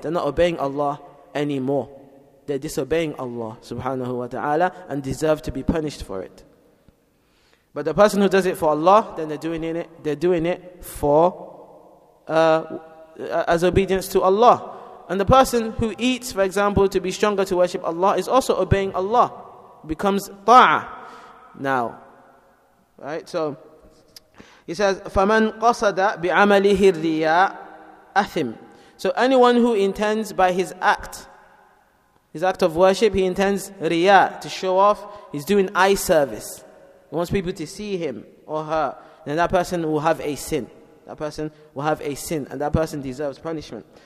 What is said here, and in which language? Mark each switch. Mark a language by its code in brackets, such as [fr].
[en] They're not obeying Allah anymore. They're disobeying Allah subhanahu wa ta'ala and deserve to be punished for it. But the person who does it for Allah, then they're doing it for as obedience to Allah. And the person who eats, for example, to be stronger to worship Allah, is also obeying Allah. Becomes ta'a now. Right? So he says, [ar] فَمَنْ قَصَدَ بِعَمَلِهِ الرِّيَاءَ أَثِمْ. [en] So anyone who intends by his act of worship, he intends riya, to show off, he's doing eye service. He wants people to see him or her, then that person will have a sin. That person will have a sin, and that person deserves punishment.